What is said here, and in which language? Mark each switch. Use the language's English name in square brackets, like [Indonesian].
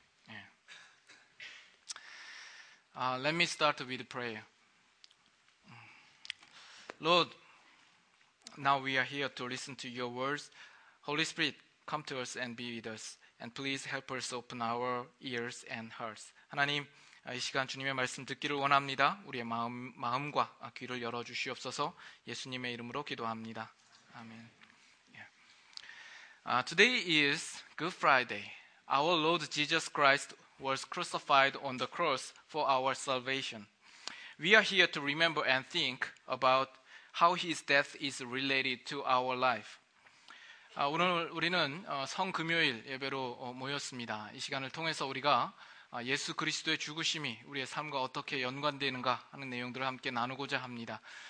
[English] Yeah. Let me start with prayer. Lord, now we are here to listen to your words. Holy Spirit, come to us and be with us. And please help us open our ears and hearts. [Korean] 하나님, 이 시간 주님의 말씀 듣기를 원합니다. 우리의 마음과 귀를 열어주시옵소서. 예수님의 이름으로 기도합니다. 아멘. [English] Yeah. Today is Good Friday. Our Lord Jesus Christ was crucified on the cross for our salvation. We are here to remember and think about how his death is related to our life. [Korean] 오늘 우리는 성금요일 예배로 모였습니다. 이 시간을 통해서 우리가 예수 그리스도의 죽으심이 우리의 삶과 어떻게 연관되는가 하는 내용들을 함께 나누고자 합니다.